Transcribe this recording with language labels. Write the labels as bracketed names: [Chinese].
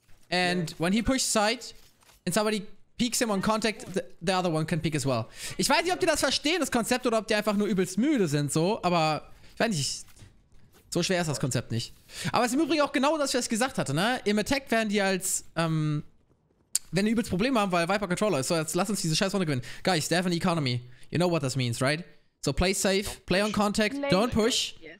[English] And when he pushes side, and somebody peeks him on contact, the other one can peek as well. [German] Ich weiß nicht, ob die das verstehen, das Konzept, oder ob die einfach nur übelst müde sind, so, aber ich weiß nicht, so schwer ist das Konzept nicht. Aber es ist im Übrigen auch genau das, was ich gesagt hatte, ne? Im Attack werden die als, wenn die übelst Probleme haben, weil Viper Controller ist, so, jetzt lass uns diese scheiß Runde gewinnen. [English] Guys, they have an economy. You know what this means, right? So play safe, play on contact, don't push.